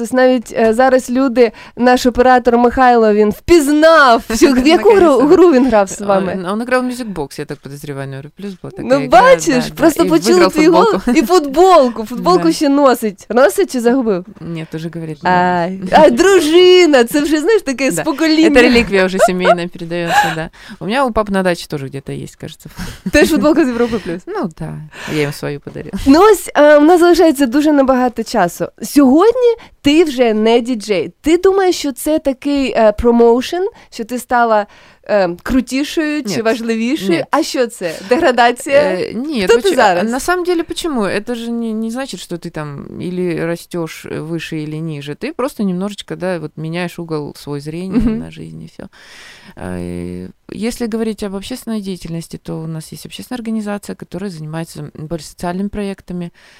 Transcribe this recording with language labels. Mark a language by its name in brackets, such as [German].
[Ukrainian] Ось навіть зараз люди, наш оператор Михайло, він впізнав, що, в яку гру він грав з вами. Він грав в мюзикбокс, я так подозріваю, Радіо Плюс був такий. Ну, бачиш, да, просто почули твій голос. І футболку. Футболку ще носить. Носить чи загубив? Ні, теж говорить. А дружина, це вже, знаєш, таке з покоління. Це реліквія вже сімейна. [Russian] Передается, да. У меня у пап на даче тоже где-то есть, кажется. [Ukrainian] Ты же футболка з Європи Плюс. Ну, да. Я їм свою подарила. Ну, ось, у нас залишається дуже небагато часу. Сьогодні ти вже не діджей. Ти думаєш, що це такий промоушен, що ти стала крутішою чи важливішою? А що це? Деградація? Ні, хто ти зараз? [Russian] На самом деле, почему? Это же не значит, что ты там или растешь выше, или ниже. Ты просто немножечко, да, вот меняешь угол свой зрения на жизнь и все. Если говорить об общественной деятельности, то у нас есть общественная организация, которая занимается более социальными проектами.